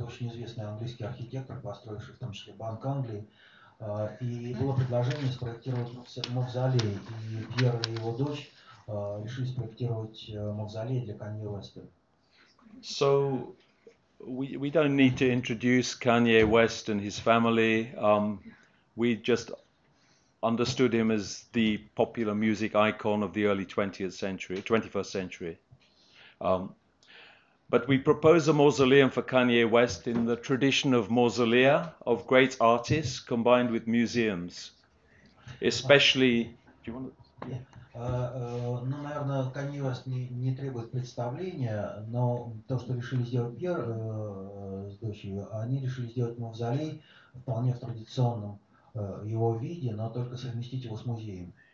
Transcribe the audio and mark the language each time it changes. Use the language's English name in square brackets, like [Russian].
[Russian] Это очень известный английский архитектор, построивший в том числе Банк Англии. И было предложение спроектировать мавзолей, и Пьер и его дочь решили спроектировать мавзолей для Канье Уэста. [English] So we don't need to introduce Kanye West and his family. We just understood him as the popular music icon of the early 21st century. But we propose a mausoleum for Kanye West in the tradition of mausolea of great artists combined with museums, especially. Do you want to? Yeah. [Russian] Ну, наверное, Kanye West не требует представления, но то, что решили сделать Пьер с дочерью, они решили сделать мавзолей вполне в традиционном его виде, но только совместить его с музеем.